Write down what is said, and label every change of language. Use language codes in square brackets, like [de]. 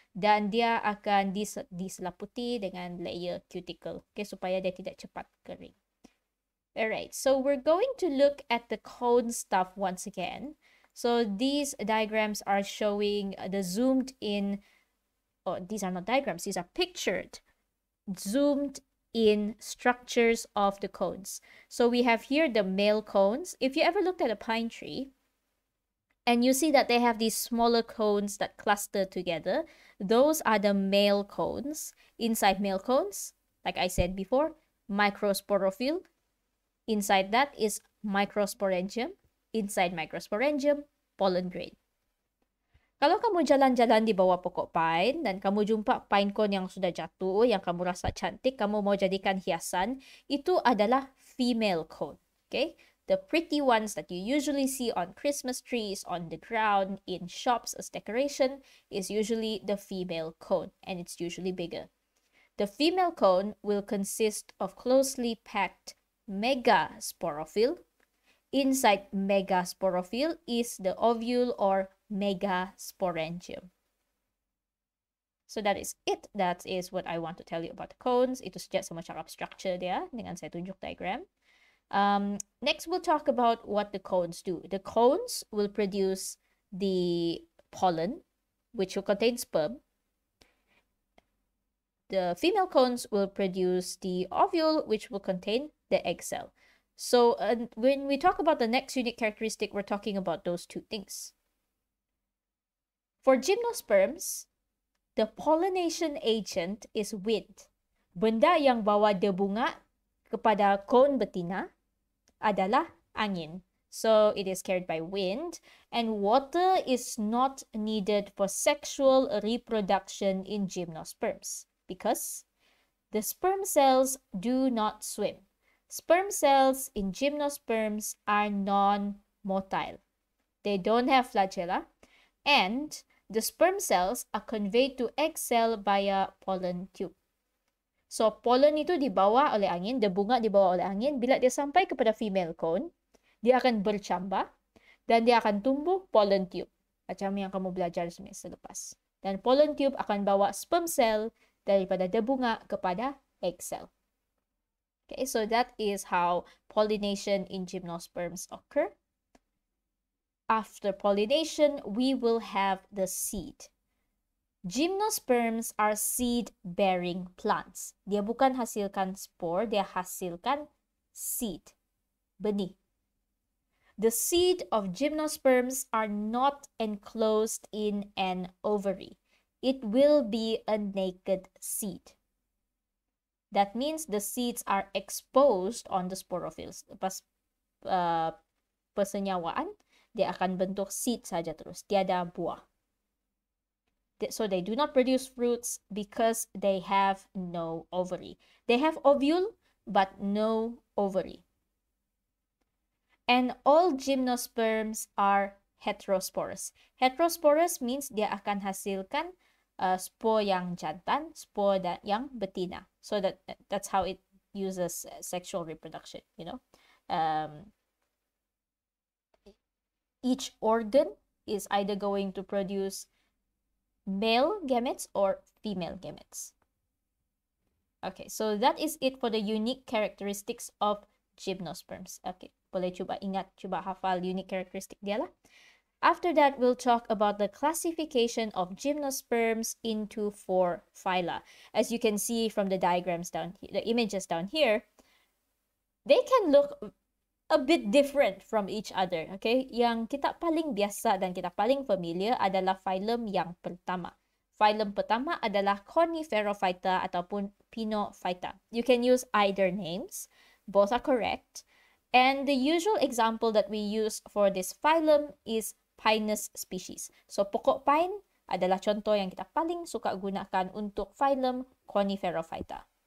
[ms] Dan dia akan diselaputi dengan layer cuticle. Okay, supaya dia tidak cepat kering. [en] Alright, so we're going to look at the cone stuff once again. So, these diagrams are showing the zoomed in. Oh, these are not diagrams. These are pictured. Zoomed in structures of the cones. So we have here the male cones. If you ever looked at a pine tree and you see that they have these smaller cones that cluster together, those are the male cones. Inside male cones, like I said before, microsporophyll. Inside that is microsporangium. Inside microsporangium, pollen grain. [ms] Kalau kamu jalan-jalan di bawah pokok pine dan kamu jumpa pine cone yang sudah jatuh, yang kamu rasa cantik, kamu mau jadikan hiasan, itu adalah female cone. [en] Okay? The pretty ones that you usually see on Christmas trees, on the ground, in shops as decoration, is usually the female cone, and it's usually bigger. The female cone will consist of closely packed mega sporophyll. Inside mega sporophyll is the ovule or mega sporangium. So that is it. That is what I want to tell you about the cones. [ms] Itu saja semua cara structure dia dengan saya tunjuk diagram. [en] Next, we'll talk about what the cones do. The cones will produce the pollen, which will contain sperm. The female cones will produce the ovule, which will contain the egg cell. So when we talk about the next unique characteristic, we're talking about those two things. For gymnosperms, the pollination agent is wind. [ms] Benda yang bawa de bunga kepada cone betina adalah angin. [en] So it is carried by wind. And water is not needed for sexual reproduction in gymnosperms, because the sperm cells do not swim. Sperm cells in gymnosperms are non-motile. They don't have flagella. And the sperm cells are conveyed to egg cell via pollen tube. [ms] So pollen itu dibawa oleh angin, the bunga dibawa oleh angin. Bila dia sampai kepada female cone, dia akan bercambah dan dia akan tumbuh pollen tube. Macam yang kamu belajar semester lepas. Dan pollen tube akan bawa sperm cell daripada the bunga kepada egg cell. [en] Okay, so that is how pollination in gymnosperms occur. After pollination, we will have the seed. Gymnosperms are seed-bearing plants. [ms] Dia bukan hasilkan spore, dia hasilkan seed, benih. [en] The seed of gymnosperms are not enclosed in an ovary. It will be a naked seed. That means the seeds are exposed on the sporophylls. [ms] Lepas persenyawaan, dia akan bentuk seed saja terus. Tiada buah. [en] So they do not produce fruits because they have no ovary. They have ovule, but no ovary. And all gymnosperms are heterosporous. Heterosporous means [ms] dia akan hasilkan spore yang jantan, spore yang betina. [en] So that's how it uses sexual reproduction, you know. Each organ is either going to produce male gametes or female gametes. Okay, so that is it for the unique characteristics of gymnosperms. [ms] Okay, boleh cuba ingat, cuba hafal unique characteristic dia lah. [en] After that, we'll talk about the classification of gymnosperms into four phyla. As you can see from the diagrams down here, the images down here, they can look a bit different from each other, okay? [ms] Yang kita paling biasa dan kita paling familiar adalah phylum yang pertama. Phylum pertama adalah Coniferophyta ataupun Pinophyta. [en] You can use either names, both are correct. And the usual example that we use for this phylum is Pinus species. [ms] So pokok pine adalah contoh yang kita paling suka gunakan untuk phylum Coniferophyta.